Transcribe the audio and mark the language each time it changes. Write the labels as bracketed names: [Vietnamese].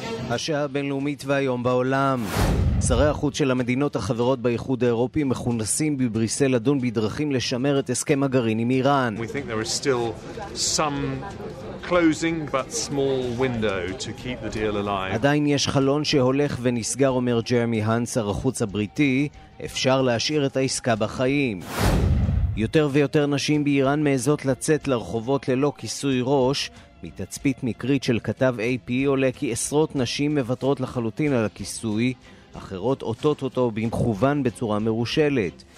[Hebrew] השעה הבינלאומית והיום בעולם. שרי החוץ של המדינות החברות באיחוד האירופי מכונסים בבריסל לדון בדרכים לשמר את הסכם הגרעין עם איראן. [English] We think there is still some closing but small window to keep the deal alive. [Hebrew] עדיין יש חלון שהולך ונסגר, אומר ג'רמי הנט, שר החוץ הבריטי. אפשר להשאיר את העסקה בחיים. יותר ויותר נשים באיראן מעזות לצאת לרחובות ללא כיסוי ראש. מתצפית מקרית של כתב AP עולה כי עשרות נשים מבטרות לחלוטין על הכיסוי, אחרות אותות אותו במכוון בצורה מרושלת.